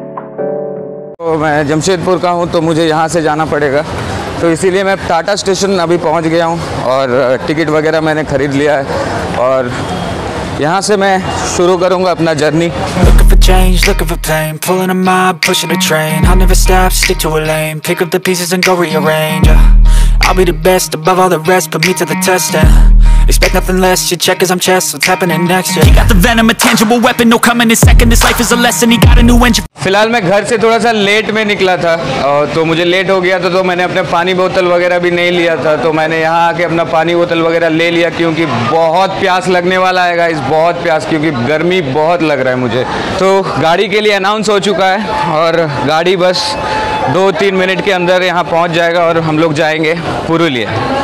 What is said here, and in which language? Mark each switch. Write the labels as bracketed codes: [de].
[hi] मैं जमशेदपुर का हूँ तो मुझे यहाँ से जाना पड़ेगा, तो इसीलिए मैं टाटा स्टेशन अभी पहुँच गया हूँ और टिकट वगैरह मैंने खरीद लिया है और यहाँ से मैं शुरू करूँगा अपना journey. [en] Change, looking for pain, pulling a mob, pushing a train. I'll never stop, stick to a lane. Pick up the pieces and go rearrange. Yeah. I'll be the best above all the rest. Put me to the test and expect nothing less. You check as I'm chess. What's happening next? Yeah. He got the venom, a tangible weapon, no coming in second. His life is a lesson. He got a new engine. [hi] फिलहाल मैं घर से थोड़ा सा late में निकला था तो मुझे लेट हो गया था, तो मैंने अपने पानी बोतल वगैरह भी नहीं लिया था, तो मैंने यहाँ आके अपना पानी बोतल वगैरह ले लिया क्योंकि बहुत प्यास लगने वाला है गाइस, बहुत प्यास, क्योंकि गर्मी बहुत लग रहा है मुझे। तो गाड़ी के लिए अनाउंस हो चुका है और गाड़ी बस 2-3 मिनट के अंदर यहाँ पहुँच जाएगा और हम लोग जाएँगे पुरुलिया।